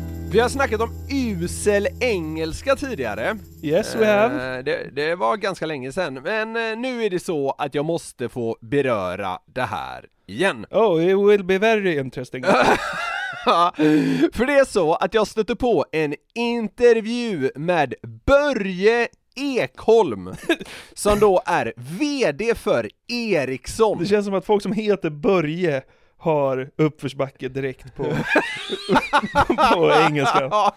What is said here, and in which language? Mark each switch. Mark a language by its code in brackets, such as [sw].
[sv] Vi har snackat om usel engelska tidigare. [en] Yes, we have. [sv] Det var ganska länge sedan. Men nu är det så att jag måste få beröra det här igen. [en] Oh, it will be very interesting. [sv] För det är så att jag stötte på en intervju med Börje Ekholm, som då är vd för Ericsson. Det känns som att folk som heter Börje har uppförsbacke direkt på på engelska.